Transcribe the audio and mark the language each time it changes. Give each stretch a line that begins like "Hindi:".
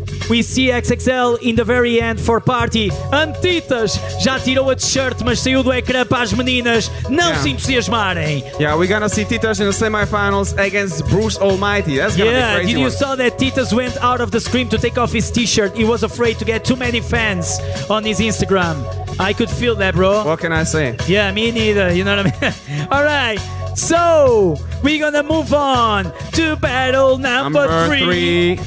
English: We see XXL in the very end for party.
Portuguese: Antitas já tirou a t-shirt, mas saiu do ecrã para as meninas. Não se entusiasmarem.
English: Yeah, we're gonna see Titas in the semifinals against Bruce Almighty. That's gonna be crazy. Yeah, did you one. Saw that Titas went out of the screen to take off his t-shirt? He was afraid to get too many fans on his Instagram. I could feel that, bro. What can I say? Yeah, me neither, you know what I mean? All right. So, we're gonna move on to battle number three.